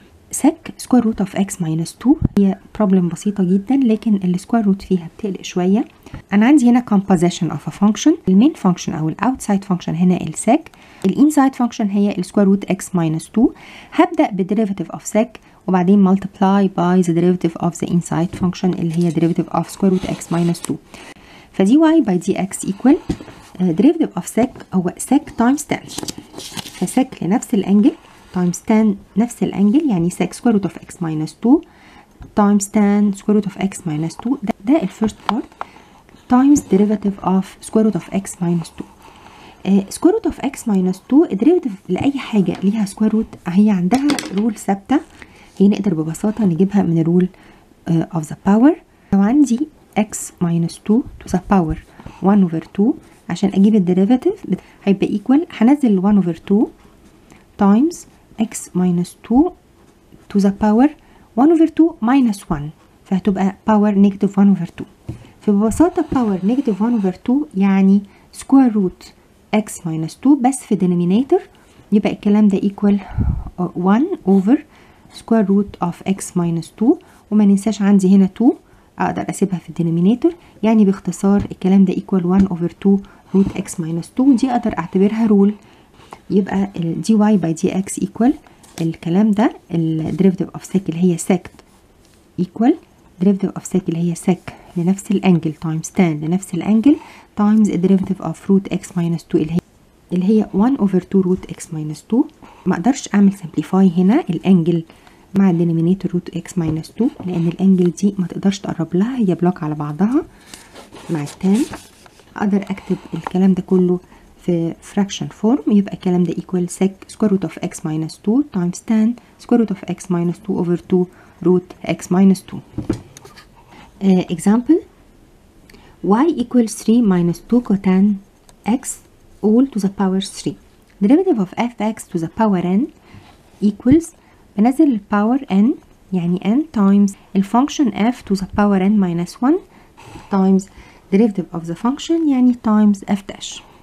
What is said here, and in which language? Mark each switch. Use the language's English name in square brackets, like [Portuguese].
[English] sec square root of x minus 2 [Arabic] هي problem بسيطة جدا لكن ال square root فيها بتقلق شوية. أنا عندي هنا [English] composition of a function. [Arabic] ال main function أو ال outside function هنا ال sec. [English] ال inside function هي ال square root x minus 2. هبدأ بderivative of sec [Arabic] وبعدين [English] multiply by the derivative of the inside function [Arabic] اللي هي [English] derivative of square root x minus 2. فdy by dx equal derivative of sec [Arabic] هو [English] sec times tan. فsec [Arabic] لنفس الانجل [English] times tan نفس الانجل [Arabic] يعني [English] sec square root of x minus 2 times tan square root of x minus 2 [Arabic] ده [English] the first part times derivative of square root of x minus 2. Square root of x minus 2 derivative [Arabic] لأي حاجة ليها square root هي عندها رول ثابتة هي نقدر ببساطة نجيبها من الرول [English] of the power. [Arabic] لو عندي [English] x minus 2 to the power 1 over 2 [Arabic] عشان أجيب الديريفاتيف هيبقى [English] equal [Arabic] هنزل [English] 1 over 2 times x minus 2 to the power 1 over 2 minus 1 [Arabic] فهتبقى [English] power negative 1 over 2. فببساطة power negative 1 over 2 يعني square root x minus 2 [Arabic] بس في [English] denominator يبقى الكلام ده equal 1 over square root of x minus 2 [Arabic] وما ننساش عندي هنا [English] 2 [Arabic] أقدر أسيبها في الدينامينيتور يعني باختصار الكلام ده [English] equal 1 over 2 root x minus 2 [Arabic] دي أقدر أعتبرها رول يبقى [English] dy by dx equal الكلام ده derivative of sec اللي هي sec equal derivative of sec [Arabic] اللي هي [English] sec [Arabic] لنفس الانجل [English] times tan لنفس الانجل times derivative of root x minus 2 اللي هي 1 over 2 root x minus 2. [Arabic] ما أقدرش أعمل simplify هنا الانجل مع denominator root x minus 2 لأن الانجل دي ما تقدرش تقرب لها هي بلوك على بعضها مع التان. أقدر أكتب الكلام ده كله في [English] fraction form [Arabic] يبقى الكلام ده [English] equal sec square root of x minus 2 times tan square root of x minus 2 over 2 root x minus 2. Example y equals 3 minus 2 cotan x all to the power 3 derivative of fx to the power n equals [Arabic] بنزل الـ [English] power n [Arabic] يعني [English] n times الـ function f to the power n minus 1 times derivative of the function يعني times f dash.